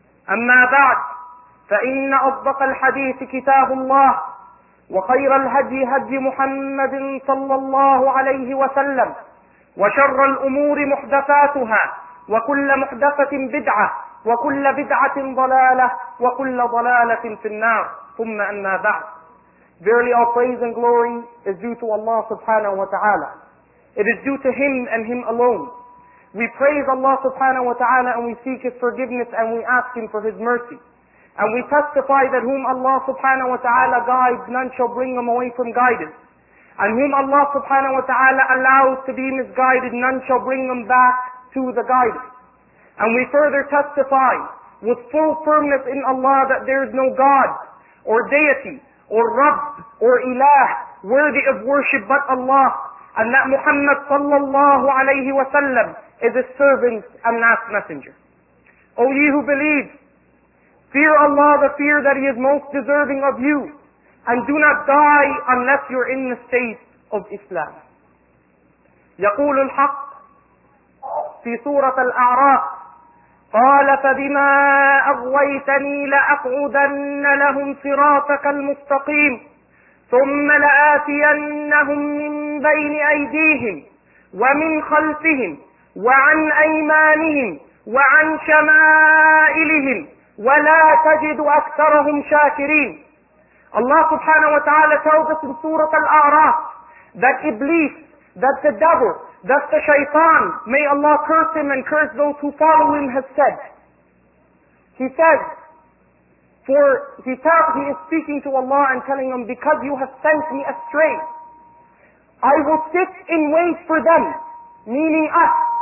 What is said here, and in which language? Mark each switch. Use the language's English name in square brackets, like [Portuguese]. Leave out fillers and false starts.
[Arabic] أما بعد، فإن أصدق الحديث كتاب الله، وخير الهدي هدي محمد صلى الله عليه وسلم، وشر الأمور محدثاتها، وكل محدثة بدعة، وكل بدعة ضلالة، وكل ضلالة في النار. ثم أما بعد، [English] verily all praise and glory is due to Allah subhanahu wa ta'ala. It is due to Him and Him alone. We praise Allah subhanahu wa ta'ala and we seek His forgiveness and we ask Him for His mercy. And we testify that whom Allah subhanahu wa ta'ala guides, none shall bring him away from guidance. And whom Allah subhanahu wa ta'ala allows to be misguided, none shall bring him back to the guidance. And we further testify with full firmness in Allah that there is no God or deity or Rabb or Ilah worthy of worship but Allah, and that Muhammad sallallahu alayhi wa sallam is His servant and last messenger. O ye who believe, fear Allah the fear that He is most deserving of you, and do not die unless you're in the state of Islam. [Arabic] يقول الحق في سورة الأعراف قال فبما أغويتني لأقعدن لهم صراطك المستقيم ثم لآتينهم من بين أيديهم ومن خلفهم وعن أيمانهم وعن شمائلهم ولا تجد أكثرهم شاكرين. الله سبحانه وتعالى [English] tells us in سورة الأعراف that Iblis, that the devil, that the shaitan, may Allah curse him and curse those who follow him, has said. He is speaking to Allah and telling him, because you have sent me astray, I will sit in wait for them, meaning us.